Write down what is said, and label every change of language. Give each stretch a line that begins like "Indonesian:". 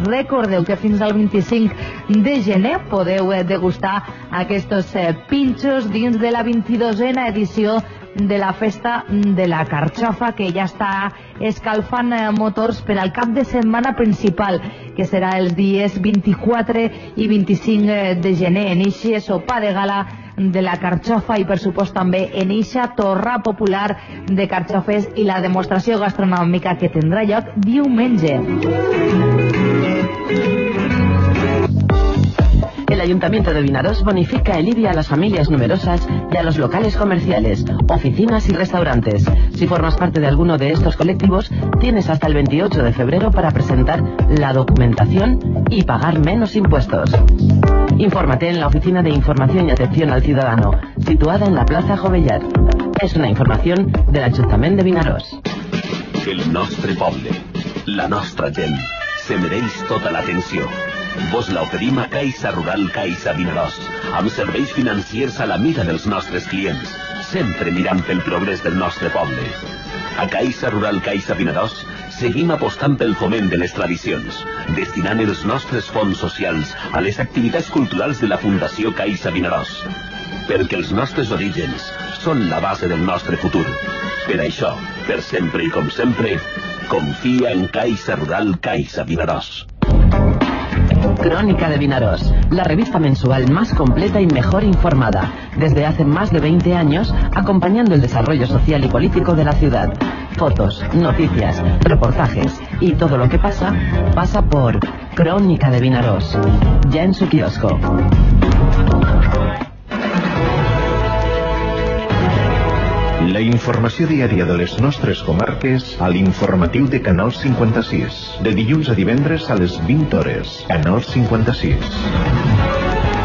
Catalan: Recordeu que fins al 25 de gener podeu degustar aquests pinxos dins de la 22a edició de la Festa de la Carxofa, que ja està escalfant motors per al cap de setmana principal, que serà els dies 24 i 25 de gener, en eixe sopar de gala de la carxofa i, per supost, també en eixa torra popular de carxofes i la demostració gastronòmica que tindrà lloc diumenge.
Spanish: El Ayuntamiento de Vinaròs bonifica el IBI a las familias numerosas y a los locales comerciales, oficinas y restaurantes. Si formas parte de alguno de estos colectivos, tienes hasta el 28 de febrero para presentar la documentación y pagar menos impuestos. Infórmate en la Oficina de Información y Atención al Ciudadano, situada en la Plaza Jovellar. Es una información del Ayuntamiento de Vinaròs.
Catalan: El nostre poble, la nostra gent, se mereix tota l'atenció. Vos la oferim a Caixa Rural Caixa Vinaròs, amb serveis financiers a la mida dels nostres clients, sempre mirant pel progrés del nostre poble. A Caixa Rural Caixa Vinaròs seguim apostant pel foment de les tradicions, destinant els nostres fons socials a les activitats culturals de la Fundació Caixa Vinaròs. Perquè els nostres orígens són la base del nostre futur. Per això, per sempre i com sempre, confia en Caixa Rural Caixa Vinaròs.
Spanish: Crónica de Vinaròs, la revista mensual más completa y mejor informada. Desde hace más de 20 años, acompañando el desarrollo social y político de la ciudad. Fotos, noticias, reportajes y todo lo que pasa, pasa por Crónica de Vinaròs, ya en su kiosco.
Catalan: La informació diària de les nostres comarques a l'informatiu de Canal 56. De dilluns a divendres a les 20 hores. Canal 56.